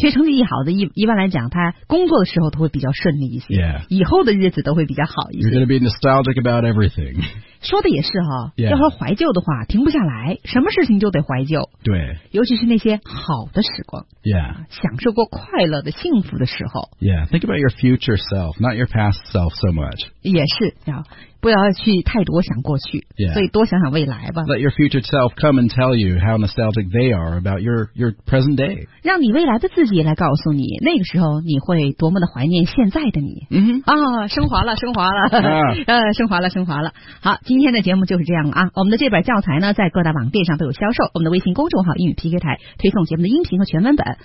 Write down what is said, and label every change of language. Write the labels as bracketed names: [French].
[Chinese] 学成绩一好的一般来讲他工作的时候都会比较顺利一些。 [English] Yeah. [Chinese] 以后的日子都会比较好一些。 [English] You're going to be nostalgic about everything. [Chinese] 说的也是哈、 [English] 哦 yeah. [Chinese] 要说怀旧的话停不下来，什么事情就得怀旧。对。尤其是那些好的时光。 [English] Yeah. [Chinese] 享受过快乐的幸福的时候。 [English] Yeah, think about your future self, not your past self so much. [Chinese] 也是要不要去太多想过去、 [English] yeah. [Chinese] 所以多想想未来吧。 [English] Let your future self come and tell you how nostalgic they are about your present day. [Chinese] 让你未来的自己来告诉你那个时候你会多么的怀念现在的你。嗯、mm-hmm. 啊、升华了升华了、 [English] yeah. [Chinese] 升华了升华了。好，今天的节目就是这样了啊。我们的这本教材呢在各大网店上都有销售，我们的微信公众号英语 PK 台推送节目的音频和全文本。